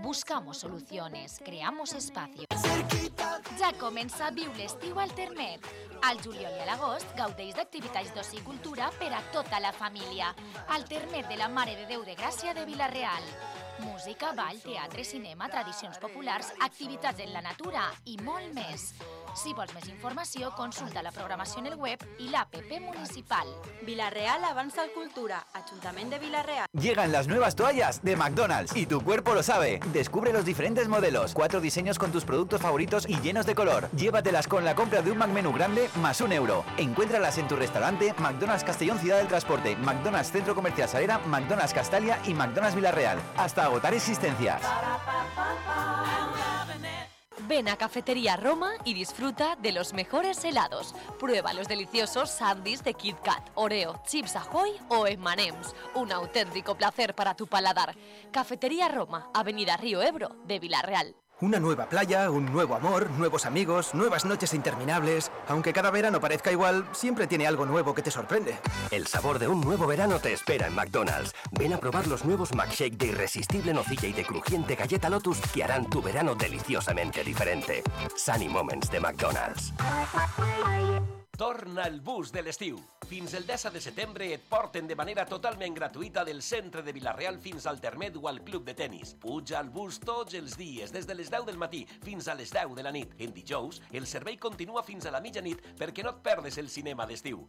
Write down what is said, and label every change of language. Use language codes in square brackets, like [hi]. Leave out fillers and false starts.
[es] Buscamos soluciones, creamos espacio. [ca] Ja comença Viu l'estiu al Termet. Al juliol i a l'agost gaudeix d'activitats d'oci i cultura per a tota la família. Al Termet de la Mare de Déu de Gràcia de Vila-real. Música, ball, teatre, cinema, tradicions populars, activitats en la natura i molt més. Si vols més informació, consulta la programació en el web i l'APP municipal. Vila-real avança en cultura. Ajuntament de Vila-real. [es] Llegan las nuevas toallas de McDonald's y tu cuerpo lo sabe. Descubre los diferentes modelos, 4 diseños con tus productos favoritos y llenos de color. Llévatelas con la compra de un McMenú grande más un euro. Encuéntralas en tu restaurante McDonald's Castellón Ciudad del Transporte, McDonald's Centro Comercial Salera, McDonald's Castalia y McDonald's Vila-real. Hasta agotar existencias. Ven a Cafetería Roma y disfruta de los mejores helados. Prueba los deliciosos sandwiches de Kit Kat, Oreo, Chips Ahoy o M&M's. Un auténtico placer para tu paladar. Cafetería Roma, Avenida Río Ebro, de Villarreal. Una nueva playa, un nuevo amor, nuevos amigos, nuevas noches interminables. Aunque cada verano parezca igual, siempre tiene algo nuevo que te sorprende. El sabor de un nuevo verano te espera en McDonald's. Ven a probar los nuevos McShake de irresistible nocilla y de crujiente galleta Lotus que harán tu verano deliciosamente diferente. Sunny Moments de McDonald's. [ca] Torna el bus del estiu. Fins el 10 de setembre et porten de manera totalment gratuïta del centre de Villarreal fins al Termet o al club de tennis. Puja al bus tots els dies, des de les 10 del matí fins a les 10 de la nit. En dijous, el servei continua fins a la mitjanit perquè no et perdes el cinema d'estiu.